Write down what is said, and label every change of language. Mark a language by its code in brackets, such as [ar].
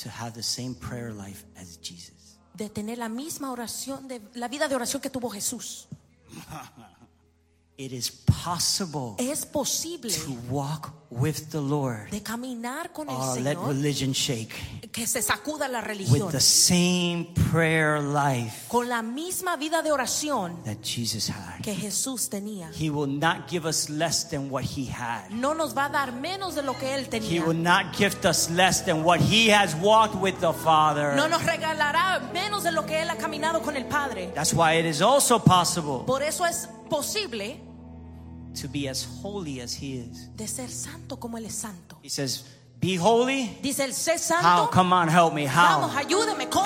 [en] To have the same prayer life as Jesus. [es] De tener la misma oración de la vida de oración que tuvo Jesús. [en] It is possible. [es] Es posible. [en] To walk with the Lord. [es] De caminar con el Señor. [en] Let religion shake. [es] Que se sacuda la religión. [en] With the same prayer life. [es] Con la misma vida de oración. [en] That Jesus had. [es] Que Jesús tenía. [en] He will not give us less than what he had. [es] No nos va a dar menos de lo que él tenía. [en] He will not gift us less than what he has walked with the Father. [es] No nos regalará menos de lo que él ha caminado con el Padre. [en] That's why it is also possible. [es] Por eso es posible. [en] To be as holy as he is. [es] De ser santo como él es santo. [en] He says, be holy. [es] Dice el ser santo. [en] How? Come on, help me. How? [es] Vamos, ayúdame, ¿cómo?